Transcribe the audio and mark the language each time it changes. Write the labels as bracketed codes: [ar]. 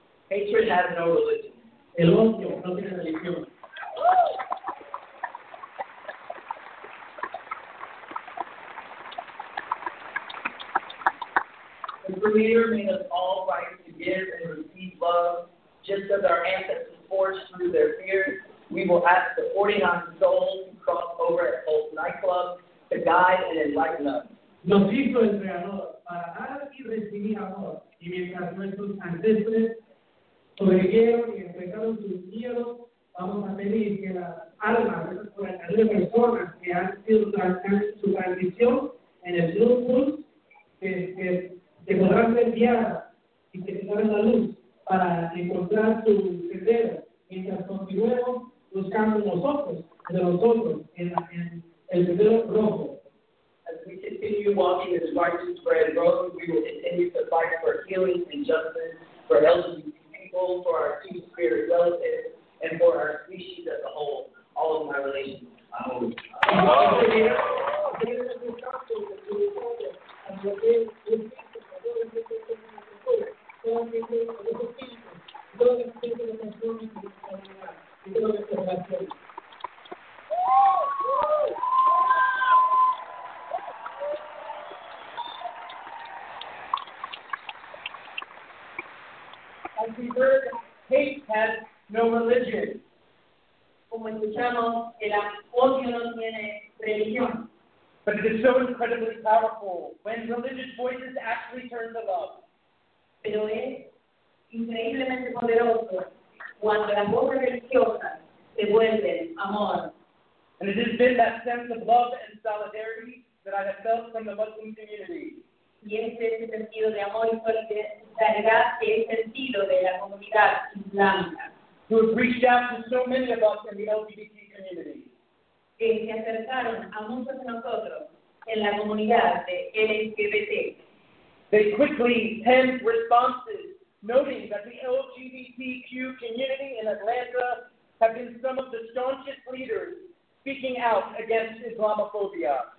[en] Hatred has no religion. The Creator made us all right to give and receive love, just as our ancestors forged through their fears, We will ask the 49 souls to cross over at Pulse Nightclub to guide and enlighten us. [es] Nos hizo el creador para dar y recibir amor, y mientras nuestros ancestres sobrevivieron y enfrentaron sus miedos, vamos a pedir que las almas de las personas que han sido su transición en el Bluetooth, que podrán ser guiadas y que se abran la luz para encontrar su sendero, mientras continuemos buscando nosotros, de nosotros, en el sendero rojo. [en] As we continue walking this righteous grand road, we will continue to fight for healing and justice for LGBT people, for our two spirit relatives, and for our species as a whole, all of my relations. As we heard, hate has no religion. [es] Como escuchamos, el odio no tiene religión. [en] But it is so incredibly powerful when religious voices actually turn to love. [es] Pero es increíblemente poderoso cuando las voces religiosas se vuelven amor. [en] And it has been that sense of love and solidarity that I have felt from the Muslim community. [es] Y este es el sentido de amor y solidaridad que es el sentido de la comunidad islámica. [en] Who have reached out to so many of us in the LGBT community. [es] Que se acercaron a muchos de nosotros en la comunidad de LGBT. [en] They quickly penned responses, noting that the LGBTQ community in Atlanta have been some of the staunchest leaders speaking out against Islamophobia.